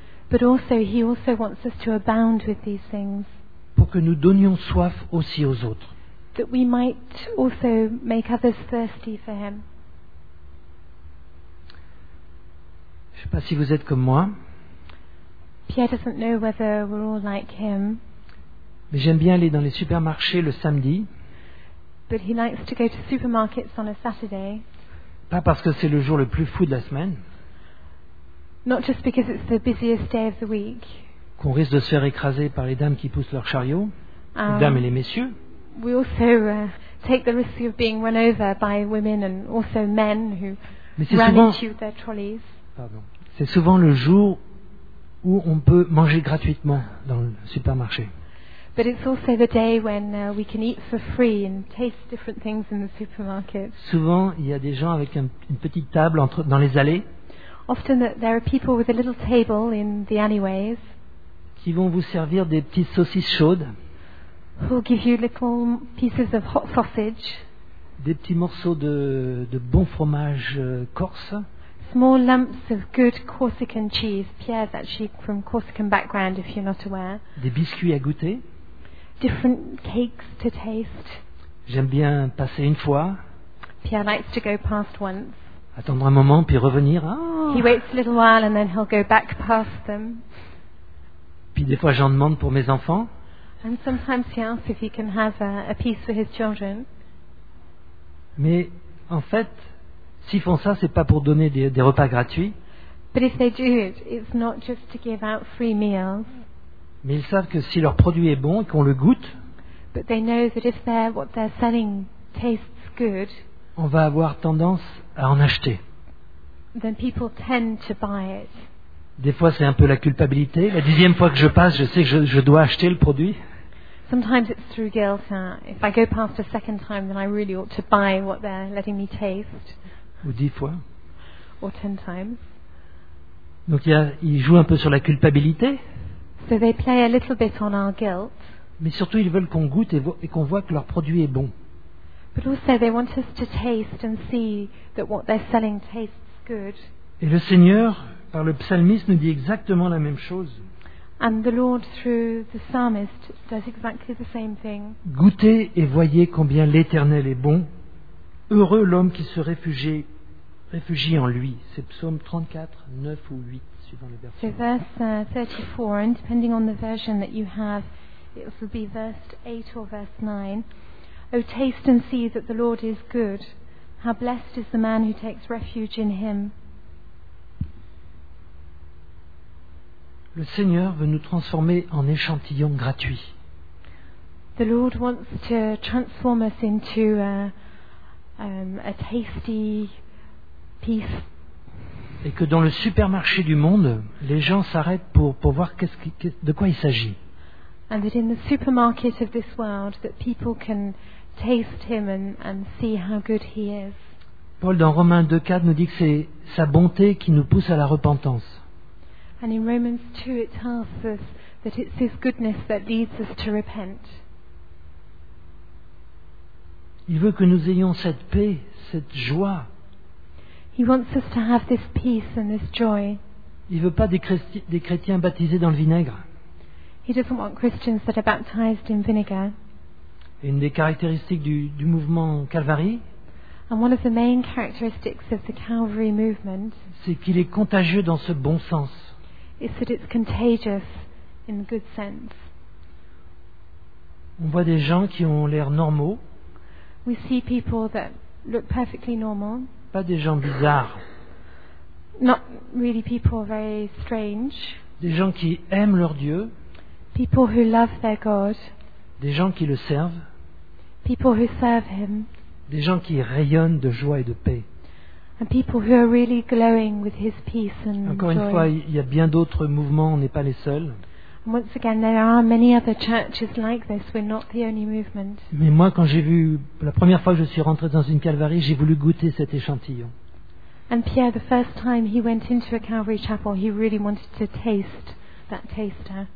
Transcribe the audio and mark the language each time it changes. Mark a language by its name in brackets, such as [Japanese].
[English] But also, he also wants us to abound with these things. [French] Pour que nous donnions soif aussi aux autres. [English] That we might also make others thirsty for him. [French] Je ne sais pas si vous êtes comme moi. [English] Pierre doesn't know whether we're all like him. [French] Mais j'aime bien aller dans les supermarchés le samedi. [English] But he likes to go to supermarkets on a Saturday. [French] Pas parce que c'est le jour le plus fou de la semaine. [English] Not just because it's the busiest day of the week. [French] Qu'on risque de se faire écraser par les dames qui poussent leurs chariots, les dames et les messieurs. [English] We also take the risk of being run over by women and also men who run into their trolleys. [French] Pardon. C'est souvent le jour où on peut manger gratuitement dans le supermarché. [English] But it's also the day when we can eat for free and taste different things in the supermarket. [French] Souvent, il y a des gens avec une petite table dans les allées. [English] Often there are people with a little table in the alleyways. [French] Qui vont vous servir des petites saucisses chaudes. [English] Who give you little pieces of hot sausage. [French] Des petits morceaux de bon fromage corse. [English] Small lumps of good Corsican cheese. Pierre's actually from Corsican background, if you're not aware. [French] Des biscuits à goûter. [English] Different cakes to taste. [French] J'aime bien passer une fois. [English] Pierre likes to go past once. [French] Attendre un moment puis revenir. Oh. [English] He waits a little while and then he'll go back past them. [French] Puis des fois j'en demande pour mes enfants. [English] And sometimes he asks if he can have a piece for his children. [French] Mais en fait, s'ils font ça, c'est pas pour donner des repas gratuits. [English] But if they do it, it's not just to give out free meals. [French] Mais ils savent que si leur produit est bon et qu'on le goûte, [English] but they know that if what they're selling tastes good, [French] on va avoir tendance à en acheter. [English] Then people tend to buy it. [French] Des fois, c'est un peu la culpabilité. La dixième fois que je passe, je sais que je dois acheter le produit. [English] Sometimes it's through guilt. If I go past a second time, then I really ought to buy what they're letting me taste. [French] Ou 10 fois. [English] Or 10 times. [French] Donc il joue un peu sur la culpabilité. [English] So they play a little bit on our guilt. [French] Mais surtout ils veulent qu'on goûte et qu'on voit que leur produit est bon. [English] But also they want us to taste and see that what they're selling tastes good. [French] Et le Seigneur, par le psalmiste, nous dit exactement la même chose. [English] And the Lord through the psalmist does exactly the same thing. [French] Goûtez et voyez combien l'Éternel est bon. Heureux l'homme qui se réfugie en lui. C'est psaume 34, 9 ou 8, suivant les versets. [English] So verse 34, and depending on the version that you have, it will be verse 8 or verse 9. Oh, taste and see that the Lord is good. How blessed is the man who takes refuge in him. [French] Le Seigneur veut nous transformer en échantillons gratuits. [English] The Lord wants to transform us into a tasty piece. [French] Et que dans le supermarché du monde, les gens s'arrêtent pour voir de quoi il s'agit. [English] And that in the supermarket of this world, that people can taste him and see how good he is. [French] Paul dans Romains 2:4 nous dit que c'est sa bonté qui nous pousse à la repentance. [English] And in Romans 2 it tells us that it's his goodness that leads us to repent. [French] Il veut que nous ayons cette paix, cette joie. [English] He wants us to have this peace and this joy. [French] Il ne veut pas des chrétiens baptisés dans le vinaigre. [English] He doesn't want Christians that are baptized in vinegar. [French] Et une des caractéristiques du mouvement Calvary, [English] and one of the main characteristics of the Calvary movement, [French] c'est qu'il est contagieux dans ce bon sens. [English] Is that it's contagious in the good sense. [French] On voit des gens qui ont l'air normaux. [English] We see people that look perfectly normal. [French] Pas des gens bizarres. [English] Not really people very strange. [French] Des gens qui aiment leur Dieu. [English] People who love their God. [French] Des gens qui le servent. [English] People who serve him. [French] Des gens qui rayonnent de joie et de paix. [English] And people who are really glowing with his peace and joy. [French] Encore une fois, il y a bien d'autres mouvements, on n'est pas les seuls. [English] And once again, there are many other churches like this. We're not the only movement. [French] Mais moi, quand j'ai vu la première fois que je suis rentré dans une Calvary, j'ai voulu goûter cet échantillon. [English] And Pierre, the first time he went into a Calvary chapel, he really wanted to taste that taster.